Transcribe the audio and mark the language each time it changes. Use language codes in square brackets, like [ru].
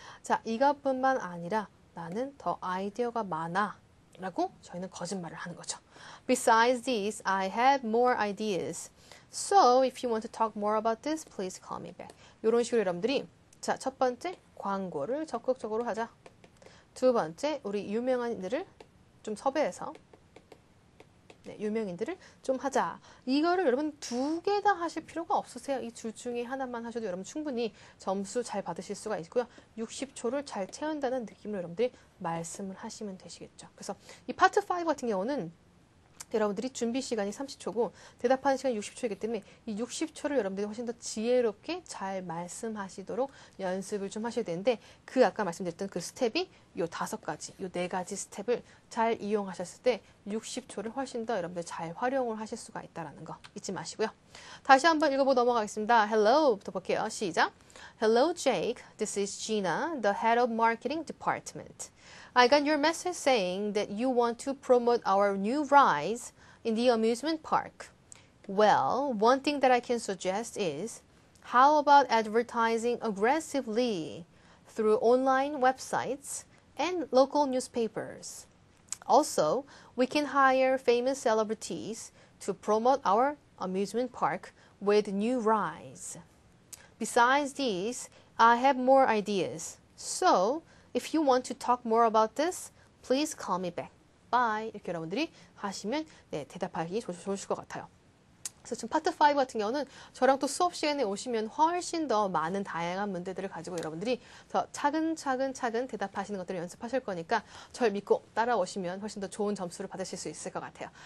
[ko] 자, 이것뿐만 아니라 나는 더 아이디어가 많아. 라고 저희는 거짓말을 하는 거죠. [en] Besides this, I have more ideas. So, if you want to talk more about this, please call me back. [ko] 이런 식으로 여러분들이, 자, 첫 번째, 광고를 적극적으로 하자. 두 번째, 우리 유명인들을 좀 섭외해서, 유명인들을 좀 하자. 이거를 여러분 두개다 하실 필요가 없으세요. 이둘 중에 하나만 하셔도 여러분 충분히 점수 잘 받으실 수가 있고요. 60초를 잘 채운다는 느낌으로 여러분들이 말씀을 하시면 되시겠죠. 그래서 이 파트 5 같은 경우는 여러분들이 준비 시간이 30초고 대답하는 시간이 60초이기 때문에 이 60초를 여러분들이 훨씬 더 지혜롭게 잘 말씀하시도록 연습을 좀 하셔야 되는데 그 아까 말씀드렸던 그 스텝이 요 다섯 가지, 요네 가지 스텝을 잘 이용하셨을 때 60초를 훨씬 더 여러분들 잘 활용을 하실 수가 있다라는 거 잊지 마시고요. 다시 한번 읽어보고 넘어가겠습니다. Hello부터 볼게요. 시작. [en] Hello, Jake. This is Gina, the head of marketing department. I got your message saying that you want to promote our new rides in the amusement park. Well, one thing that I can suggest is how about advertising aggressively through online websites and local newspapers? Also, we can hire famous celebrities to promote our amusement park with new rides. Besides these, I have more ideas. So, if you want to talk more about this, please call me back. Bye. [ko] 이렇게 여러분들이 하시면 대답하기 좋으실 것 같아요. 그래서 지금 파트 5 같은 경우는 저랑 또 수업 시간에 오시면 훨씬 더 많은 다양한 문제들을 가지고 여러분들이 더 차근차근차근 대답하시는 것들을 연습하실 거니까 저를 믿고 따라오시면 훨씬 더 좋은 점수를 받으실 수 있을 것 같아요.